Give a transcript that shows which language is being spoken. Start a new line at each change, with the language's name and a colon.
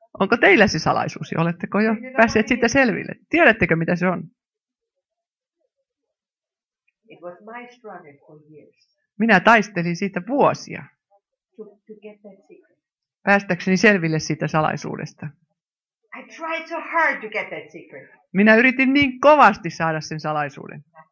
Finnish: Onko teillä se salaisuus? Oletteko jo päässeet siitä selville? Tiedättekö, mitä se on?
English: It was my struggle for years.
Finnish: Minä taistelin siitä vuosia.
English: To get that secret.
Finnish: Päästäkseni selville siitä salaisuudesta.
English: I tried so hard to get that secret.
Finnish: Minä yritin niin kovasti saada sen salaisuuden.